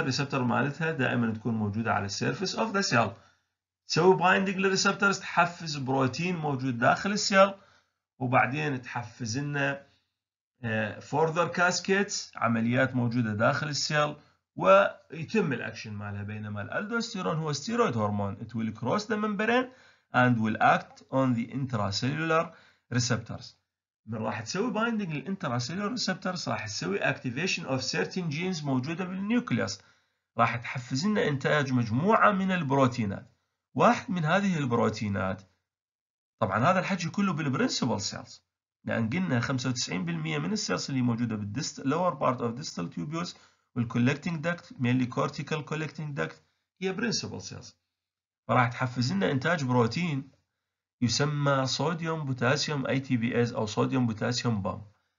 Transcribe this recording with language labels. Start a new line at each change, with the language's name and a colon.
Arabic: الريسبتور مالتها دائما تكون موجوده على السيرفيس اوف ذا سيل تسوي بايندينج للريسبتورز تحفز بروتين موجود داخل السيل وبعدين تحفز لنا فورذر كاسكيتس عمليات موجوده داخل السيل ويتم الاكشن مالها. بينما الالدوستيرون هو
English: Steroid hormone it will cross the membrane and will act on the intracellular receptors.
Arabic: من راح تسوي binding للانتراسيلولار receptors راح تسوي
English: activation of certain genes
Arabic: موجودة بالنيوكليوس راح تحفز لنا انتاج مجموعة من البروتينات. واحد من هذه البروتينات طبعا هذا الحكي كله بالبرنسبل سيلز لان قلنا 95% من السيلز اللي موجودة بالدست
English: lower part of distal tubules
Arabic: والكولكتنج داكت مينلي كورتيكال كولكتنج داكت هي برينسيبل سيلز فراح تحفز لنا انتاج بروتين يسمى صوديوم بوتاسيوم اي تي بي اس او صوديوم بوتاسيوم بام.